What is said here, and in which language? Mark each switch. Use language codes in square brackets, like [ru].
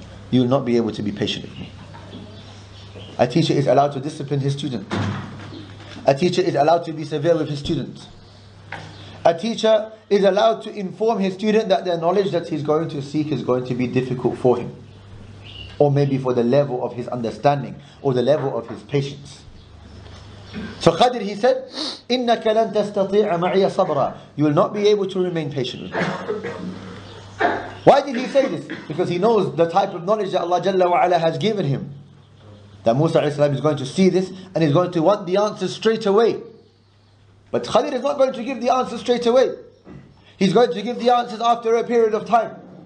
[en] You will not be able to be patient with me. A teacher is allowed to discipline his student. A teacher is allowed to be severe with his student. A teacher is allowed to inform his student that the knowledge that he's going to seek is going to be difficult for him, or maybe for the level of his understanding or the level of his patience. So Khadir, he said, [ar] إِنَّكَ لَن تَسْتَطِيعَ مَعِيَ صَبْرًا. [en] You will not be able to remain patient with me. Why did he say this? Because he knows the type of knowledge that Allah Jalla wa Ala has given him, that Musa alayhi salam is going to see this and is going to want the answer straight away. But Khalid is not going to give the answer straight away. He's going to give the answers after a period of time.